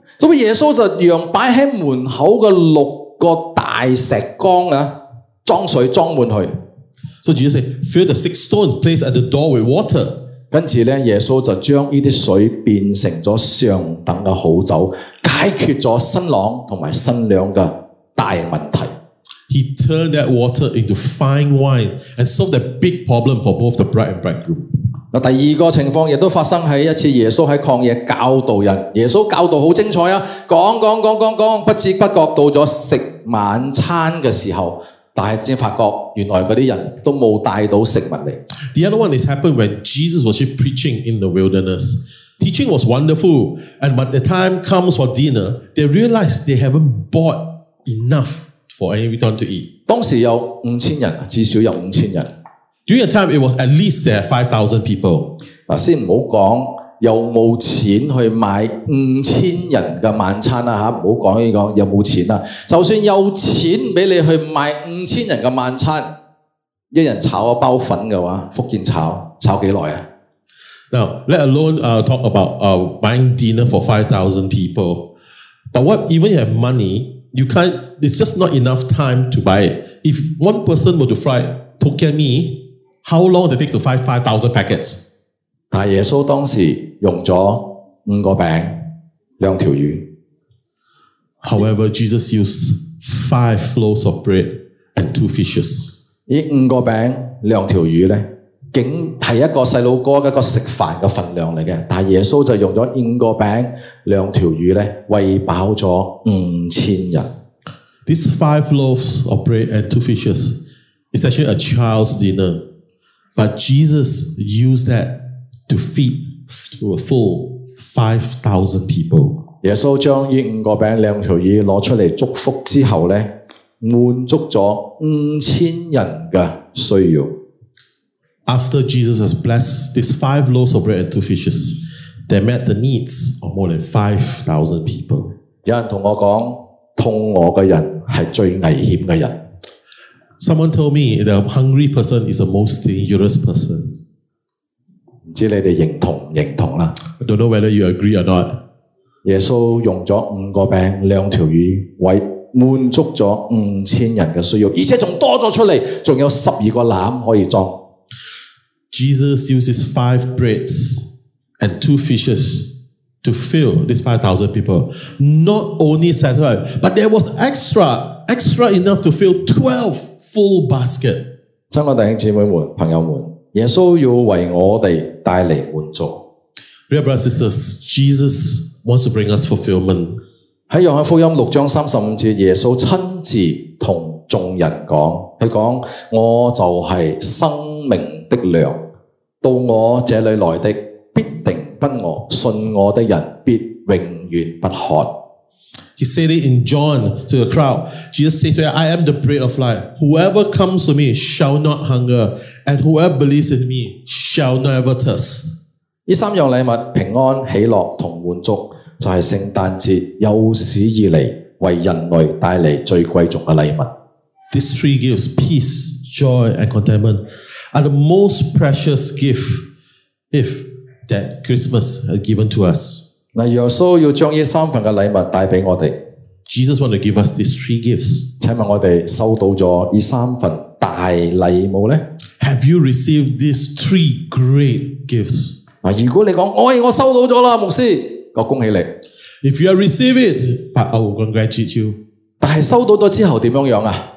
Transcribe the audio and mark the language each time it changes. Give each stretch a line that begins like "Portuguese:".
Chinese: 所以耶稣就让摆在门口的六个大石缸装水装满去。
English: So Jesus said, fill the six stones placed at the door with water.
Chinese: 跟着耶稣就将这些水变成了上等的好酒，解决了新郎和新娘的大问题。
English: He turned that water into fine wine and solved the big problem for both the bride and bridegroom.
Chinese: 第二个情况也都发生在一次耶稣在旷野教导人。耶稣教导很精彩，讲，不知不觉到了吃晚餐的时候，但是才发觉原来那些人都没有带到食物来。
English: The other one is happened when Jesus was preaching in the wilderness. Teaching was wonderful, and when the time comes for dinner, they realized they haven't bought enough for everyone to eat.
Chinese: 当时有五千人，至少有五千人。
English: During the time, it was at least there 5,000 people.
Chinese: 先不要讲有没有钱去买五千人的晚餐，不要讲这个有没有钱，就算有钱给你去买五千人的晚餐，一人炒一包粉的话，福建炒多久？
English: Now, let alone talk about buying dinner for 5,000 people. But what, even if you have money, you can't, it's just not enough time to buy it. If one person were to fry Tokyo me,How long did it take to find 5,000 packets?
Chinese: 但耶稣当时用了五个饼，两条鱼。
English: However, Jesus used 5 loaves of bread and 2 fishes.
Chinese: 这五个饼，两条鱼呢，竟是一个小哥一个吃饭的分量来的。但耶稣就用了五个饼，两条鱼呢，喂饱了五千人。
English: These 5 loaves of bread and 2 fishes is actually a child's dinner. But Jesus used that to feed to a full 5,000 people.
Chinese: 耶稣将这五个饼两条鱼拿出来祝福之后呢，满足了五千人的需要。
English: After Jesus has blessed these 5 loaves of bread and 2 fishes, they met the needs of more than 5,000 people.
Chinese: 有人跟我说，痛饿的人是最危险的人。
English: Someone told me the hungry person is the most dangerous person.
Chinese: 不知道你们认同不认同啦。
English: I don't know whether you agree or not.
Chinese: 耶稣用了五个饼两条鱼为满足了五千人的需要，而且还多了出来，还有十二个篮可以装。
English: Jesus uses 5 breads and 2 fishes to fill these 5,000 people. Not only satisfied, but there was extra enough to fill 12. Full basket.
Chinese: 亲爱的弟兄姊妹们，朋友们，耶稣要为我们带来满足。
English: Real brothers and sisters, Jesus wants to bring us fulfillment.
Chinese: 在约翰福音六章三十五节，耶稣亲自同众人讲，他讲：我就是生命的粮，到我这里来的必定不饿，信我的人必永远不渴。
English: He said it in John to the crowd. Jesus said to him, I am the bread of life. Whoever comes to me shall not hunger. And whoever believes in me shall never thirst.
Chinese: 这三样礼物，平安、喜乐和满足，就是圣诞节有史以来为人类带来最贵重的礼物。
English: These three gifts, peace, joy and contentment, are the most precious gift that Christmas has given to us.
Chinese: 耶稣要将这三份的礼物带给我们。
English: Jesus wants to give us these three gifts.
Chinese: 请问我们收到了这三份大礼物呢?
English: Have you received these three great gifts?
Chinese: 如果你说我收到了牧师，恭喜你。
English: If you are receiving it, I will congratulate you.
Chinese: 但是收到了之后怎么样啊?